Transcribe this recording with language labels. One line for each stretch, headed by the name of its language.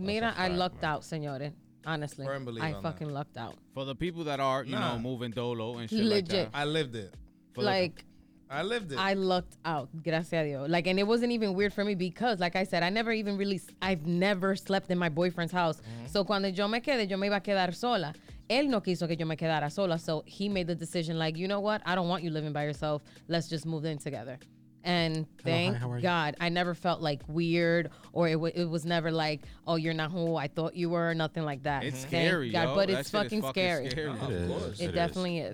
English: Mira, I lucked out, señores. Honestly, firm believer I on fucking that. Lucked out. For the people that are, moving dolo and shit legit. Like that. I lived it. I lived it. I lucked out,
Spanish: gracias a Dios.
English: Like, and it wasn't even weird for me because, like I said, I've never slept in my boyfriend's house. Mm-hmm.
Spanish: So cuando yo me quedé, yo me iba a quedar sola. Él no quiso que yo me quedara sola.
English: So he made the decision like, you know what? I don't want you living by yourself. Let's just move in together. And thank God, I never felt like weird or it was never like, oh, you're not who I thought you were or nothing like that. It's scary, God, yo. But that it's fucking scary. Scary. It is. Of course. It definitely is.